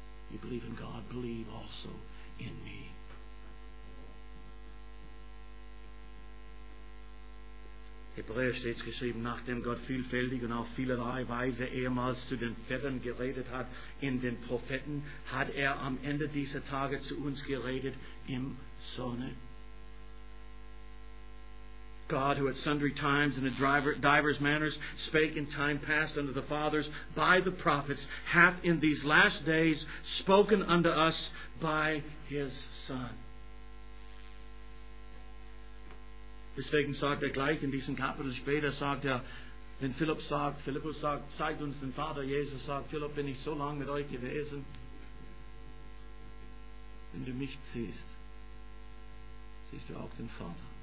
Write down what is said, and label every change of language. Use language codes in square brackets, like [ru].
[en] You believe in God, believe also in me. [de] Hebräer steht geschrieben, nachdem Gott vielfältig und auf vielerlei Weise ehemals zu den Vätern geredet hat, in den Propheten, hat er am Ende dieser Tage zu uns geredet im Sohne. [en] God, who at sundry times in a divers manners spake in time past unto the fathers by the prophets, hath in these last days spoken unto us by his Son. [de] Deswegen sagt gleich in diesem Kapitel später, wenn Philippus sagt, zeigt uns den Vater, Jesus sagt, Philipp, bin ich so lange mit euch gewesen, wenn du mich siehst, siehst du auch den Vater.